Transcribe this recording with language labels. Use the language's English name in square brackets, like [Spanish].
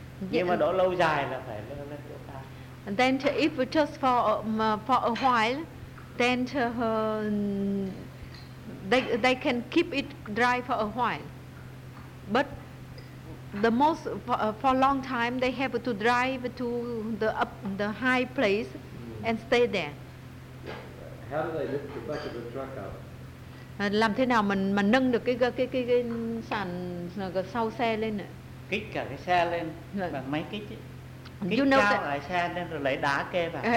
[Vietnamese] Nhưng mà đổ lâu dài là phải lên chỗ cao. [English] And then if just for a while, then to They can keep it dry for a while, but the most for a long time they have to drive to the high place and stay there. How do they lift the back of the truck up? [Vietnamese] Làm thế nào mà nâng được cái sàn sau xe lên nữa? Kích cả cái xe lên bằng máy kích. Kích cao lại xe lên rồi lấy đá kê vào.